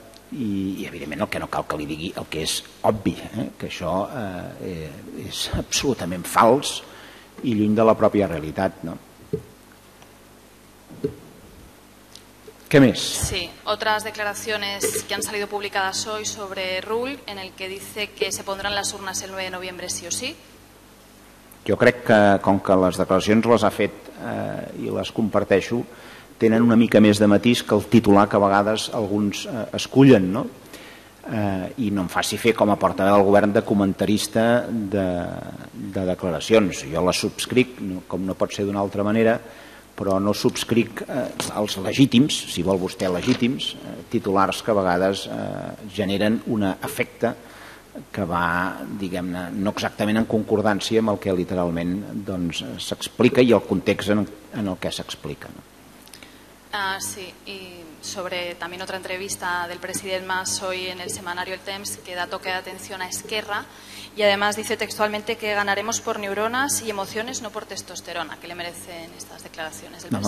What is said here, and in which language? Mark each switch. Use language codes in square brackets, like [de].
[ca] I evidentment el que no cal que li digui el que és obvi, que això és absolutament fals i lluny de la pròpia realitat, no? [es] ¿Qué més? Sí, otras declaraciones que han salido publicadas hoy sobre Rull, en el que dice que se pondrán las urnas el 9 de noviembre sí o sí. [ca] Jo crec que, com que les declaracions les ha fet i les comparteixo, tenen una mica més de matís que el titular que a vegades alguns escullen, no? I no em faci fer com a portaveu del govern de comentarista de declaracions. Jo les subscric, no, com no pot ser d'una altra manera, però no subscric els legítims, si vol vostè legítims, titulars que a vegades generen un efecte que va, diguem-ne, no exactament en concordància amb el que literalment s'explica, doncs, i el context en el que s'explica, no? [es] Sí, y sobre también otra entrevista del presidente Mas hoy en el semanario El Temps, que da toque de atención a Esquerra y además dice textualmente que ganaremos por neuronas y emociones, no por testosterona. ¿Qué le merecen estas declaraciones del presidente?